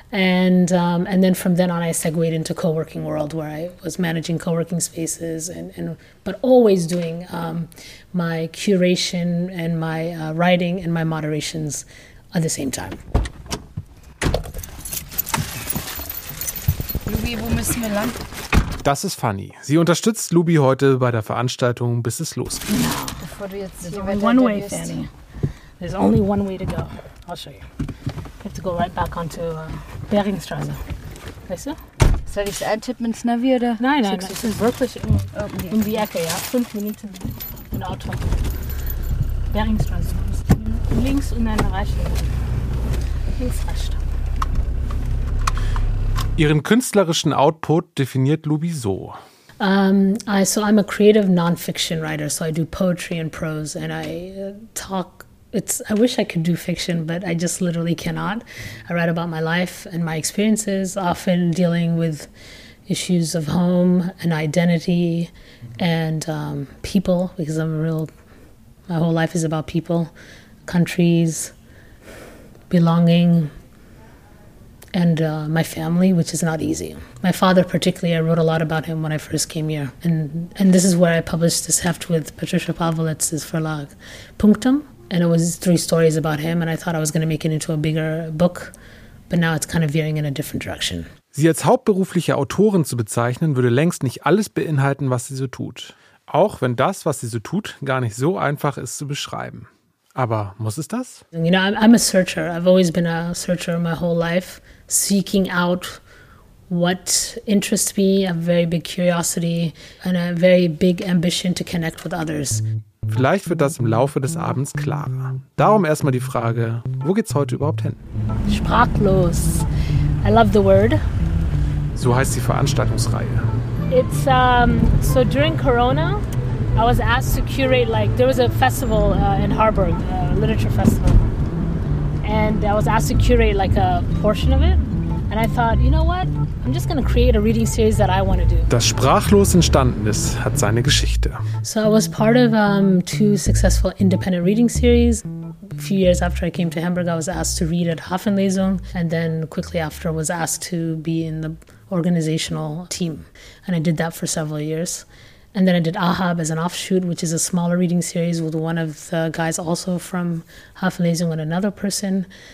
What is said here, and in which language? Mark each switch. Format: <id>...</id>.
<en>And then from then on, I segued into co-working world where I was managing co-working spaces and but always doing my curation and my writing and my moderations at the same time.</en> <de>Louis, wo müssen wir lang? Das ist Fanny. Sie unterstützt Lubi heute bei der Veranstaltung, bis es losgeht. Bevor du jetzt</de> <en>one way, Fanny. There's only one way to go. I'll show you. You have to go right back onto Beringstraße.</en> <de>Weißt du? Soll ich es eintippen ins Navi oder? Nein, nein, es ist wirklich um die Ecke, ja. 5 Minuten im Auto. Beringstraße. Links und dann rechts. Links, rechts. Ihren künstlerischen Output definiert Lubi so.</de> <en>So I'm a creative non-fiction writer, so I do poetry and prose and I talk. I wish I could do fiction, but I just literally cannot. I write about my life and my experiences, often dealing with issues of home and identity and people, because my whole life is about people, countries, belonging, and my family, which is not easy. My father particularly, I wrote a lot about him when I first came here. And this is where I published this heft with Patricia Pavlitz's Verlag, Punktum. And it was 3 stories about him, and I thought I was going to make it into a bigger book, but now it's kind of veering in a different direction.</en> <de>Sie als hauptberufliche Autorin zu bezeichnen, würde längst nicht alles beinhalten, was sie so tut. Auch wenn das, was sie so tut, gar nicht so einfach ist zu beschreiben. Aber muss es das?</de> <en>You know, I'm a searcher. I've always been a searcher my whole life, seeking out what interests me, a very big curiosity and a very big ambition to connect with others.</en> <de>Vielleicht wird das im Laufe des Abends klarer. Darum erstmal die Frage, wo geht's heute überhaupt hin?</de> <en>Sprachlos. I love the word.</en> <de>So heißt die Veranstaltungsreihe.</de> <en>It's so during Corona, I was asked to curate, like, there was a festival in Harburg, a literature festival. And I was asked to curate, like, a portion of it. And I thought, you know what? I'm just going to create a reading series that I want to do.</en> <de>Das Sprachlos entstanden ist, hat seine Geschichte.</de> <en>So I was part of 2 successful independent reading series. A few years after I came to Hamburg, I was asked to read at Hafenlesung. And then quickly after, was asked to be in the organizational team. And I did that for several years. And then I did Ahab as an offshoot, which is a smaller reading series with one of the guys also from Hafenlesung and another person.</en>